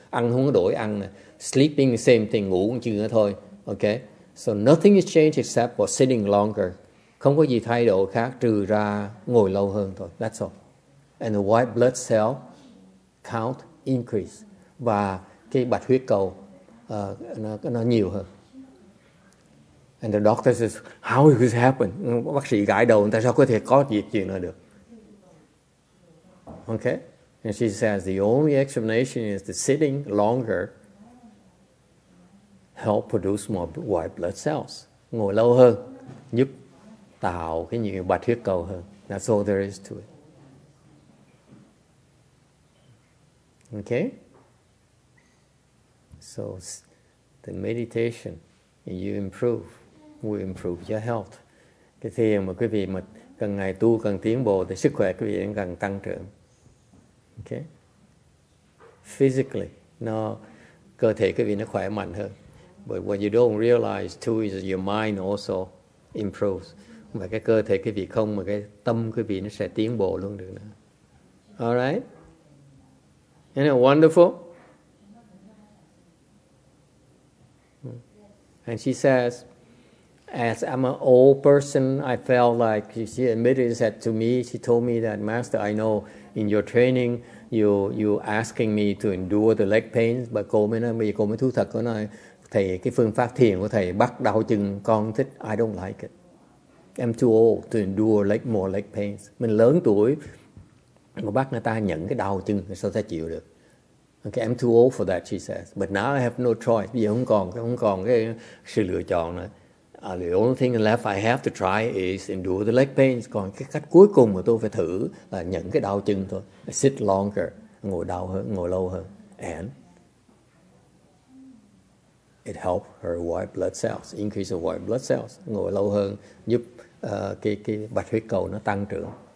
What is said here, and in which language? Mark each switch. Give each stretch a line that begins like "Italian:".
Vietnamese: Ăn không có đổi ăn,
English: sleeping the same thing,
Vietnamese: ngủ chừng nữa thôi. Okay?
English: So nothing is changed except for sitting longer.
Vietnamese: Không có gì thay đổi khác trừ ra ngồi lâu hơn thôi.
English: That's all. And the white blood cell count increase.
Vietnamese: Và cái bạch huyết cầu nó nhiều hơn.
English: And the doctor says, how did this happen?
Vietnamese: Bác sĩ gãi đầu, tại sao có thể có chuyện nào được?
English: Okay? And she says, the only explanation is the sitting longer help produce more white blood cells.
Vietnamese: Ngồi lâu hơn, giúp tạo cái nhiều bạch huyết cầu hơn.
English: That's all there is to it. Okay? So, the meditation, you improve. We improve your health.
Vietnamese: Cái thiền mà quý vị mà càng ngày tu càng tiến bộ thì sức khỏe quý vị càng tăng trưởng. Okay.
English: Physically,
Vietnamese: nó cơ thể quý vị nó khỏe mạnh hơn.
English: But what you don't realize too is your mind also improves.
Vietnamese: Và cái cơ thể quý vị không mà cái tâm quý vị nó sẽ tiến bộ luôn được nữa.
English: All right. Isn't it wonderful? And she says, as I'm an old person, I felt like she admitted that to me. She told me that, Master, I know in your training, you asking me to endure the leg pains.
Vietnamese: But cô mới nói, bây giờ cô mới thú thật, cô nói, thầy, cái phương pháp thiền của thầy bắt đau chân con thích.
English: I don't like it. I'm too old to endure more leg pains.
Vietnamese: Mình lớn tuổi, mà bắt người ta nhận cái đau chân, sao ta chịu được?
English: Okay, I'm too old for that, she says. But now I have no choice.
Vietnamese: Bây giờ không còn cái sự lựa chọn nữa.
English: The only thing left I have to try is endure the leg pains.
Vietnamese: Còn cái cách cuối cùng mà tôi phải thử là nhận cái đau chân thôi.
English: I sit longer,
Vietnamese: ngồi đau hơn, ngồi lâu hơn.
English: And it helped her white blood cells, increase the white blood cells.
Vietnamese: Ngồi lâu hơn giúp cái bạch huyết cầu nó tăng trưởng.